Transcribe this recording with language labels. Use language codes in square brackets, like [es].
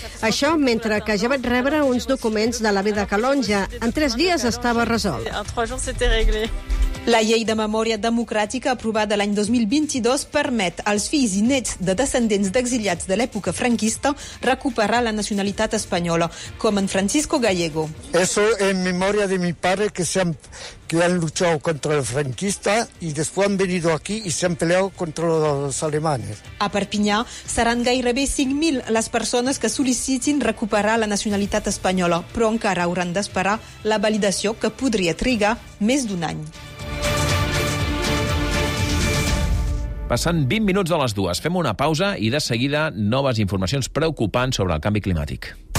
[ca] Això mentre que ja vaig rebre uns documents de la vida calonja. En 3 dies estava resolt. La llei de memòria democràtica aprovada l'any 2022 permet als fills i nets de descendents d'exiliats de l'època franquista recuperar la nacionalitat espanyola, com en Francisco Gallego. [es] Eso en memoria de mi padre que han luchado contra el franquista y después han venido aquí y se han peleado contra los alemanes. [ca] A Perpinyà seran gairebé 5.000 les persones que sol·licitin recuperar la nacionalitat espanyola, però encara hauran d'esperar la validació, que podria trigar més d'un any. Passant 20 minuts de les dues, fem una pausa i de seguida noves informacions preocupants sobre el canvi climàtic.